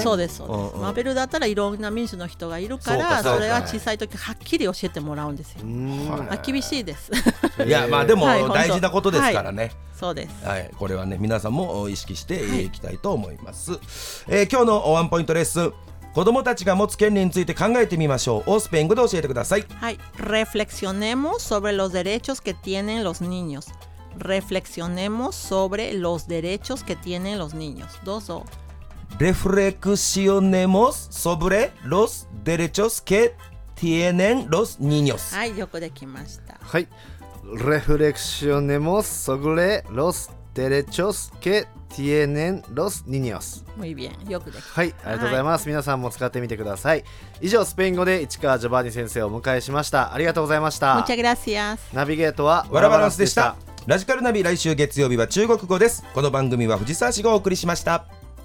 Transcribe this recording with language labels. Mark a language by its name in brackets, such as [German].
[Japanese] そうです、そうです、うんうん、まあ、ペルーだったらいろんな民主の人がいるから、 それは小さい時はっきり教えてもらうんですよ。まあ、厳しいですいや、まあ、でも大事なことですからね、はい、そうです、はい、これはね、皆さんも意識していきたいと思います、はい、今日のワンポイントレッスン、子どもたちが持つ権利について考えてみましょう。オスペン語で教えてください。はい。 [Spanish] Reflexionemos sobre los derechos que tienen los niños. Reflexionemos sobre los derechos que tienen los niños. [Japanese] どうぞ。 [Spanish] Reflexionemos sobre los derechos que tienen los niños. [Japanese] はい、よくできました。はい。 [Spanish] Reflexionemos sobre los derechos que tienen los niños。 Muy bien、 [Japanese] よくできた。はい、ありがとうございます、はい、皆さんも使ってみてください。以上、スペイン語で市川ジョバニ先生をお迎えしました。ありがとうございました。 [Spanish] Muchas gracias。 [Japanese] ナビゲートはワラバランスでした。ラジカルナビ、来週月曜日は中国語です。この番組は藤沢市がお送りしました。